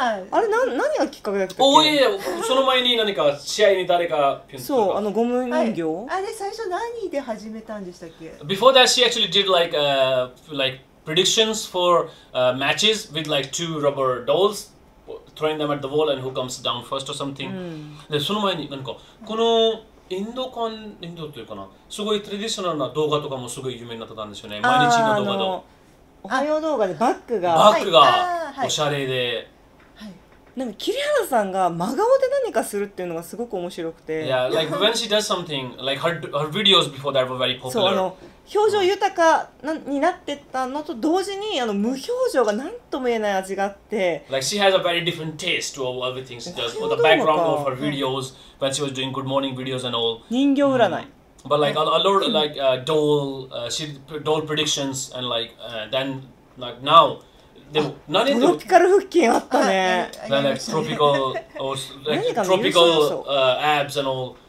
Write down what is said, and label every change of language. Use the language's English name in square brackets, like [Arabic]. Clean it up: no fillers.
[Japanese] あれ何がきっかけだったっけ。おいやいやその前に何か試合に誰かピュンとかそうあのゴム人形、はい、あれ最初何で始めたんでしたっけ。 [English] Before that she actually did like, like predictions for matches with like two rubber dolls throwing them at the wall and who comes down first or something、 [Japanese] うん、でその前に何かこのインド館インドというかなすごいトラディショナルな動画とかもすごい有名になったんですよね。毎日の動画とおはよう動画でバッグがバッグがおしゃれで、はいはい、なんか桐原さんが真顔で何かするっていうのがすごく面白くて、 [English] yeah, like when she does something, like her videos before that were very popular. [Japanese] そうあの表情豊かなになってったのと同時にあの無表情が何とも言えない味があって、 [English] like she has a very different taste to all everything she does. For the background of her videos, when she was doing good morning videos and all. [Japanese] 人形占い。 [English] But like a lot of like doll, she doll predictions and like then like now, でも [Japanese] 何でトロピカル腹筋あったね。 [English] Then like tropical or like tropical abs and all.